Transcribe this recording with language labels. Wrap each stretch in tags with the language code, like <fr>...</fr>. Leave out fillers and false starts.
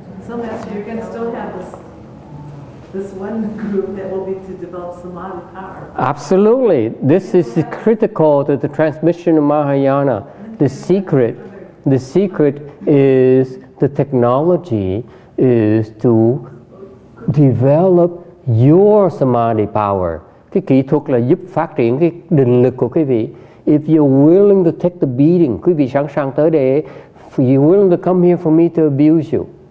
<en>So master, you can still have this one group that will be to develop samadhi power. Absolutely. This is critical to the transmission of Mahayana. The secret is the technology is to develop your samadhi power.</en> <vi>Cái kỹ thuật là giúp phát triển cái định lực của quý vị.</vi> <en>If you're willing to take the beating,</en> <vi>quý vị sẵn sàng tới đây.</vi> <en>You're willing to come here for me to abuse you.</en>